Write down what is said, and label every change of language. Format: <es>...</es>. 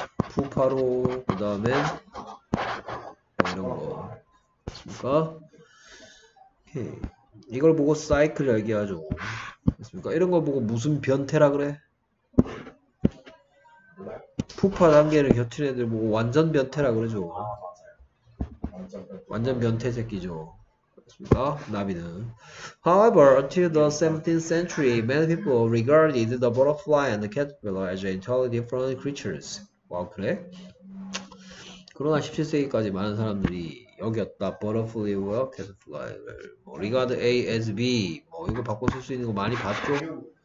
<ko>푸파로 그 다음에 이런 거 맞습니까? 오케이. 이걸 보고 사이클 얘기하죠. 맞습니까? 이런 걸 보고 무슨 변태라 그래? 푸파 단계를 곁들인 애들 보고 완전 변태라 그러죠. 완전 변태 새끼죠. 나비는.</ko> <en>However, until the 17th century, many people regarded the butterfly and the caterpillar as entirely different creatures.</en> <ko>와, 그래? 그러나 17세기까지 많은 사람들이 여겼다.</ko> <en>Butterfly와 caterpillar를 뭐, regard A as B.</en> <ko>뭐, 이거 바꿔 쓸수 있는 거 많이 봤죠?</ko>